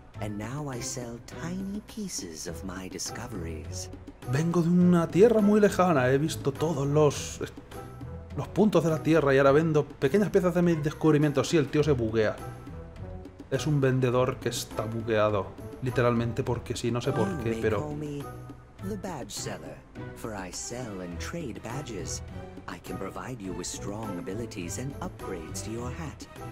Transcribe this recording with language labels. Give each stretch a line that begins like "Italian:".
English: And now I sell tiny pieces of my discoveries.
Spanish: Vengo de una tierra muy lejana, he visto todos los puntos de la tierra y ahora vendo pequeñas piezas de mis descubrimientos. Sí, el tío se buguea. Es un vendedor que está bugueado, literalmente, porque sí, no sé por qué, pero...
English: The badge seller, for I sell and trade badges. I can provide you with strong abilities and upgrades to your hat.